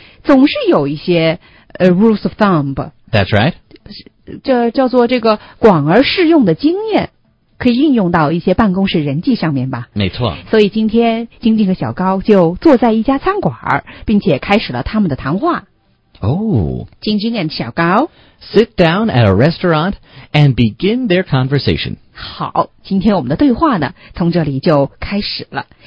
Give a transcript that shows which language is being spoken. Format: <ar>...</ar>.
<zh>总是有一些</zh> <en>rules of thumb， That's right。</en> <zh>这叫做这个广而适用的经验，可以应用到一些办公室人际上面吧。没错。所以今天晶晶和小高就坐在一家餐馆，并且开始了他们的谈话。哦，晶晶 and 小高</zh> <en>sit down at a restaurant and begin their conversation。</en> <zh>好，今天我们的对话呢，从这里就开始了。</zh>